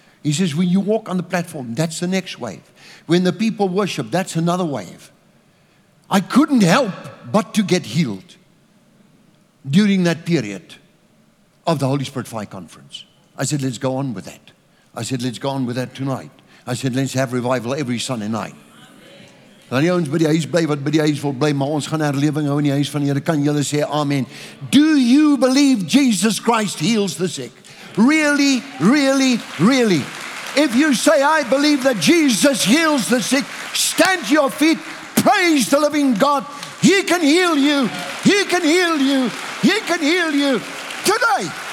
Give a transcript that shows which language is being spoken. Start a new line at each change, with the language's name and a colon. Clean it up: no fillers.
English: He says, when you walk on the platform, that's the next wave. When the people worship, that's another wave. I couldn't help but to get healed during that period of the Holy Spirit Fire Conference. I said, let's go on with that. I said, let's go on with that tonight. I said, let's have revival every Sunday night.
Afrikaans: Dan ons by die huis bly wat by die huis wil bly, maar ons gaan herlewing hou in die huis van die Here. Kan julle sê amen?
English: Do you believe Jesus Christ heals the sick? Really, really, really. If you say, I believe that Jesus heals the sick, stand to your feet, praise the living God. He can heal you. He can heal you. He can heal you today.